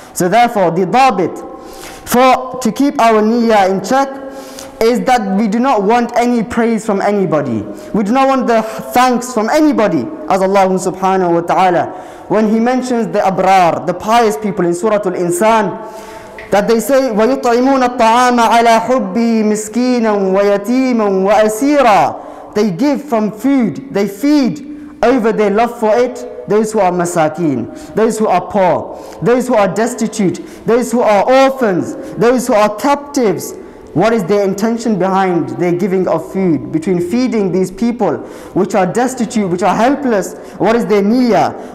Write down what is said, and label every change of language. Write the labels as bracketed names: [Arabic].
[English] So therefore, the dhabit for to keep our niyyah in check is that we do not want any praise from anybody. We do not want the thanks from anybody, as Allah subhanahu wa ta'ala, when He mentions the abrar, the pious people in Surah Al-Insan, [Arabic] that they say, وَيُطْعِمُونَ الطَّعَامَ عَلَىٰ حُبِّي مِسْكِينًا وَيَتِيمًا وَأَسِيرًا. [English] They give from food, they feed over their love for it, those who are masakeen, those who are poor, those who are destitute, those who are orphans, those who are captives. What is their intention behind their giving of food? Between feeding these people which are destitute, which are helpless, what is their niyyah?